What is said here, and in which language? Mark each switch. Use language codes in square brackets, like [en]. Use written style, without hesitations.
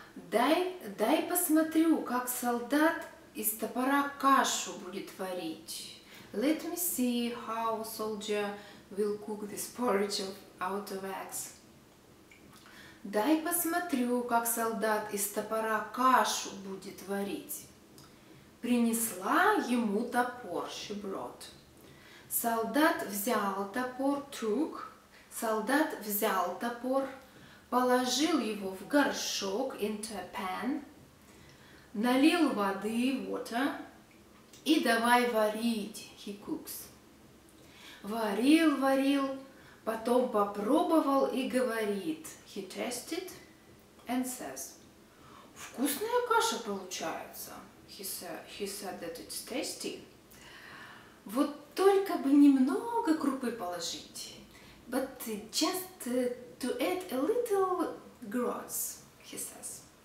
[ru] Дай посмотрю, как солдат из топора кашу будет варить. [en] Let me see how soldier will cook this porridge out of eggs. [ru] Дай посмотрю, как солдат из топора кашу будет варить. Принесла ему топор, [en] she brought. [ru] Солдат взял топор, [en] took, [ru] солдат взял топор, положил его в горшок, [en] into a pan, [ru] налил воды, [en] water, [ru] и давай варить, [en] he cooks. [ru] Варил, потом попробовал и говорит, [en] he tested and says, [ru] вкусная каша получается, [en] he said that it's tasty. [ru] Вот только бы немного крупы положить. [en] But just to add a little gruz, he says.